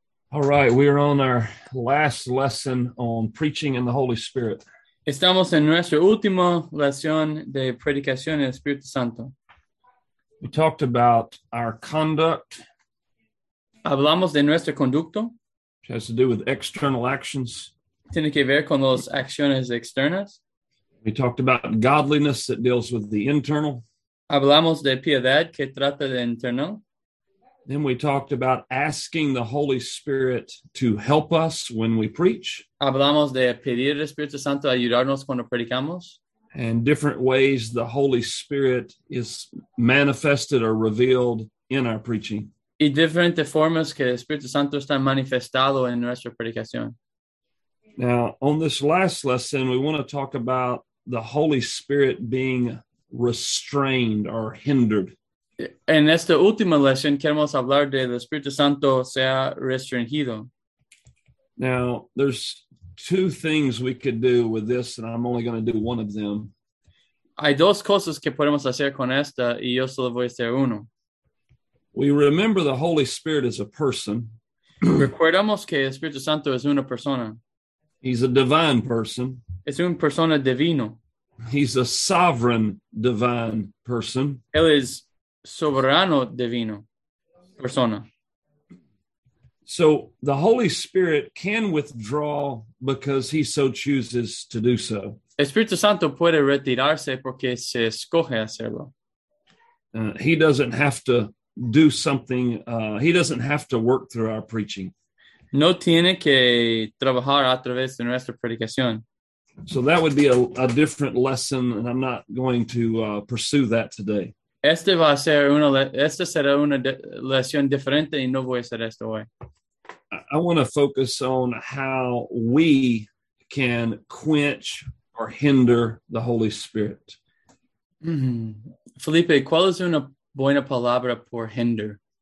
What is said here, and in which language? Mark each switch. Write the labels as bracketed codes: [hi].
[en] All right, we are on our last lesson on preaching in the Holy Spirit. [es] Estamos en nuestra última lección de predicación en el Espíritu Santo. [en] We talked about our conduct. [es] Hablamos de nuestro conducto. [en] Which has to do with external actions. [es] Tiene que ver con las acciones externas. [en] We talked about godliness that deals with the internal. [es] Hablamos de piedad que trata de interno. [en] Then we talked about asking the Holy Spirit to help us when we preach. [es] Hablamos de pedir al Espíritu Santo ayudarnos cuando predicamos. [en] And different ways the Holy Spirit is manifested or revealed in our preaching. [es] Y diferentes formas que el Espíritu Santo está manifestado en nuestra predicación. [en] Now, on this last lesson, we want to talk about the Holy Spirit being restrained or hindered. [es] En esta última lección queremos hablar de el Espíritu Santo sea restringido. [en] Now, there's two things we could do with this, and I'm only going to do one of them. [es] Hay dos cosas que podemos hacer con esta, y yo solo voy a hacer uno. [en] We remember the Holy Spirit is a person. [es] Recordamos que el Espíritu Santo es una persona. [en] He's a divine person. [es] Es una persona divino. [en] He's a sovereign divine person. [es] Él es soberano divino persona. [en] So the Holy Spirit can withdraw because he so chooses to do so. [es] Espíritu Santo puede retirarse porque se escoge hacerlo. [en] He doesn't have to do something. He doesn't have to work through our preaching. [es] No tiene que trabajar a través de nuestra predicación. [en] So that would be a different lesson, and I'm not going to pursue that today. [es] Este va a ser una, esta será una lección diferente y no voy a hacer esto hoy. [en] I want to focus on how we can quench or hinder the Holy Spirit. Mm-hmm. [es] Felipe, ¿cuál es una buena palabra por hinder?